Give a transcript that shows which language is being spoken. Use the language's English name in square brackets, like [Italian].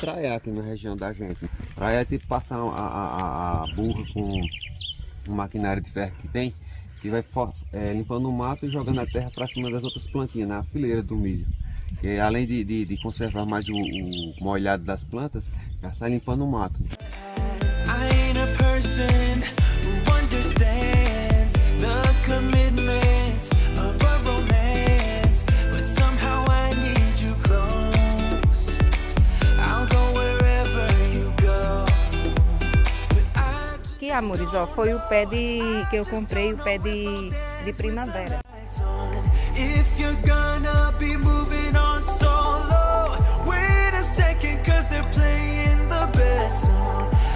[Portuguese] Traiar aqui na região da gente. Traiar é tipo passar a burra com o maquinário de ferro que tem, que vai limpando o mato e jogando a terra para cima das outras plantinhas, na fileira do milho. E além de conservar mais o molhado das plantas, já sai limpando o mato. [English] Person who understands the commitment of a romance, but somehow I need you close. I'll go wherever you go. [Portuguese] Que amores, ó, foi o pé de que eu comprei, o pé de primavera. [English] If you're gonna be moving on solo, wait a second, 'cause they're playing the best song.